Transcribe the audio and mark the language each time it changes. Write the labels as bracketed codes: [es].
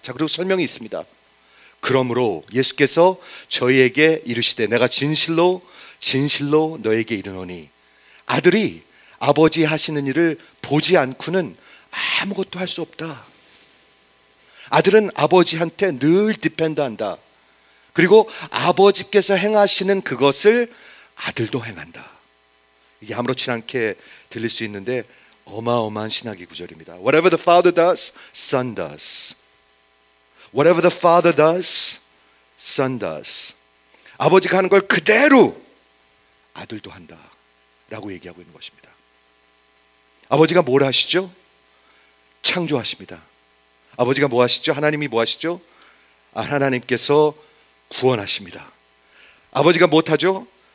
[ko] 자, 그리고 설명이 있습니다. 그러므로 예수께서 저희에게 이르시되 내가 진실로 진실로 너에게 이르노니 아들이 아버지 하시는 일을 보지 않고는 아무것도 할 수 없다. 아들은 아버지한테 늘 디펜드한다. 그리고 아버지께서 행하시는 그것을 아들도 행한다. 이게 아무렇지 않게 들릴 수 있는데 어마어마한 신학의 구절입니다. [en] Whatever the Father does, Son does. Whatever the Father does, Son does. [ko] 아버지가 하는 걸 그대로 아들도 한다 라고 얘기하고 있는 것입니다. 아버지가 뭘 하시죠? 창조하십니다. 아버지가 뭐 하시죠? 하나님이 뭐 하시죠? 하나님께서 구원하십니다. 아버지가 못하죠?